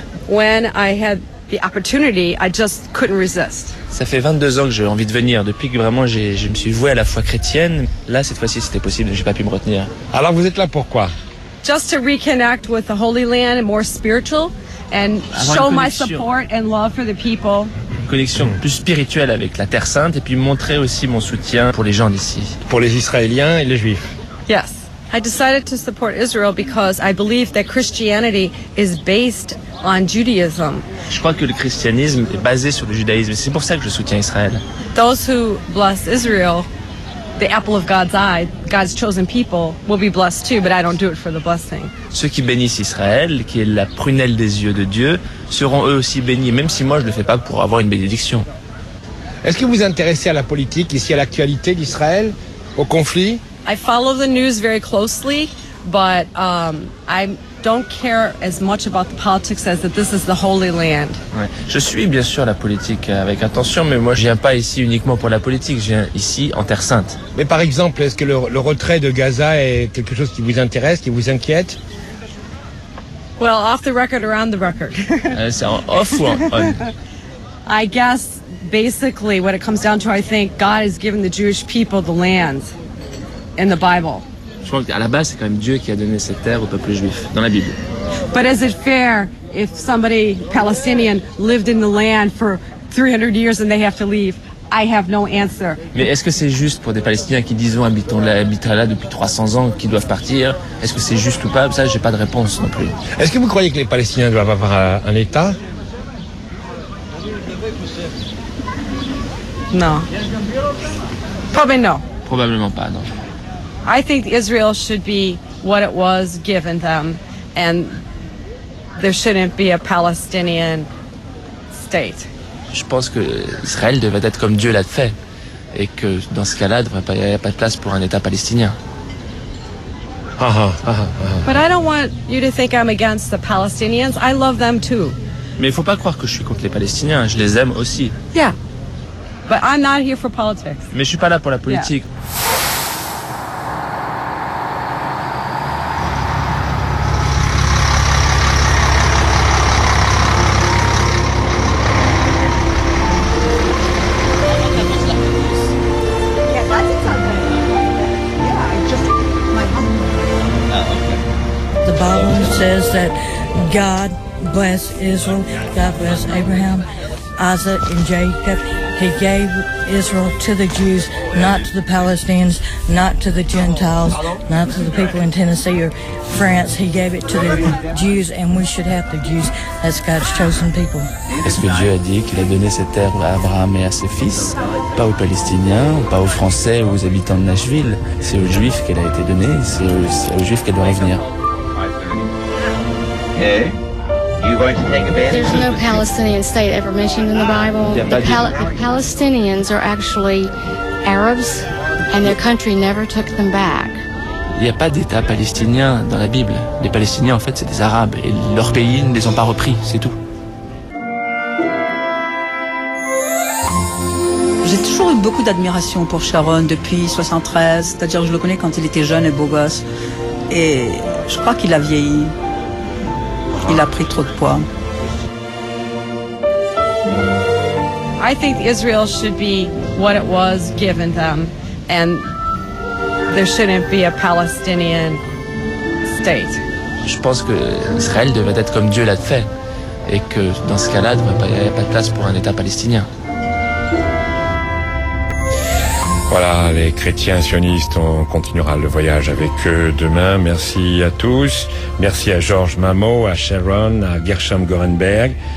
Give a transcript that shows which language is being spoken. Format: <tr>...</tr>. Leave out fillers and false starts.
<en>When I had the opportunity, I just couldn't resist.</en> <fr>Ça fait 22 ans que j'ai envie de venir. Depuis que vraiment je me suis voué à la foi chrétienne, là, cette fois-ci, c'était possible. Je n'ai pas pu me retenir. Alors, vous êtes là pourquoi?</fr> <en>Just to reconnect with the Holy Land and more spiritual. And show my support and love for the people.</en> <fr>Une connexion plus spirituelle avec la Terre Sainte et puis montrer aussi mon soutien pour les gens d'ici. Pour les Israéliens et les Juifs.</fr> <en>Yes. I decided to support Israel because I believe that Christianity is based on Judaism.</en> <fr>Je crois que le christianisme est basé sur le judaïsme. C'est pour ça que je soutiens Israël.</fr> <en>Those who bless Israel, the apple of God's eye, God's chosen people, will be blessed too, but I don't do it for the blessing.</en> <fr>Ceux qui bénissent Israël, qui est la prunelle des yeux de Dieu, seront eux aussi bénis, même si moi je ne le fais pas pour avoir une bénédiction. Est-ce que vous vous intéressez à la politique ici, à l'actualité d'Israël, au conflit?</fr> <en>I follow the news very closely, but I don't care as much about the politics as that this is the Holy Land.</en> <fr>Ouais. Je suis bien sûr la politique avec attention, mais moi je viens pas ici uniquement pour la politique, je viens ici en Terre Sainte. Mais par exemple, est-ce que le retrait de Gaza est quelque chose qui vous intéresse, qui vous inquiète?</fr> <en>Well, off the record or on the record?</en> <fr>C'est en off ou en on?</fr> <en>I guess basically what it comes down to, I think God has given the Jewish people the land in the Bible.</en> <fr>Je crois qu'à la base c'est quand même Dieu qui a donné cette terre au peuple juif dans la Bible.</fr> <en>But is it fair if somebody Palestinian lived in the land for 300 years and they have to leave? I have no answer.</en> <fr>Mais est-ce que c'est juste pour des Palestiniens qui disons habitent là depuis 300 ans qui doivent partir? Est-ce que c'est juste ou pas? Ça, j'ai pas de réponse non plus. Est-ce que vous croyez que les Palestiniens doivent avoir un état?</fr> <en>Non. Probably no.</en> <fr>Probablement pas, non.</fr> <en>I think Israel should be what it was given them, and there shouldn't be a Palestinian state.</en> <fr>Je pense que Israël devait être comme Dieu l'a fait, et que dans ce cas-là, il n'y a pas de place pour un État palestinien.</fr> <en>But I don't want you to think I'm against the Palestinians. I love them too.</en> <fr>Mais il ne faut pas croire que je suis contre les Palestiniens. Je les aime aussi.</fr> <en>Yeah. But I'm not here for politics.</en> <fr>Mais je suis pas là pour la politique.</fr> <en>The Bible says that God bless Israel, God bless Abraham, Isaac, and Jacob. He gave Israel to the Jews, not to the Palestinians, not to the Gentiles, not to the people in Tennessee or France. He gave it to the Jews, and we should have the Jews. That's God's chosen people.</en> <fr>Est-ce que Dieu a dit qu'il a donné cette terre à Abraham et à ses fils? Pas aux Palestiniens, pas aux Français ou aux habitants de Nashville. C'est aux Juifs qu'elle a été donnée, c'est aux Juifs qu'elle doit revenir.</fr> <en>Hey. You going to take advantage? There's no Palestinian state ever mentioned in the Bible. The Palestinians are actually Arabs, and their country never took them back.</en> <fr>Il n'y a pas d'État palestinien dans la Bible. Les Palestiniens, en fait, c'est des Arabes, et leur pays ne les ont pas repris, c'est tout. J'ai toujours eu beaucoup d'admiration pour Sharon depuis 73, c'est-à-dire je le connais quand il était jeune et beau gosse, et je crois qu'il a vieilli. Il a pris trop de poids.</fr> <en>I think Israel should be what it was given them, and there shouldn't be a Palestinian state.</en> <fr>Je pense que Israël devait être comme Dieu l'a fait, et que dans ce cas-là, il n'y a pas de place pour un État palestinien. Voilà, les chrétiens sionistes, on continuera le voyage avec eux demain. Merci à tous. Merci à Georges Mamot, à Sharon, à Gershom Gorenberg.</fr>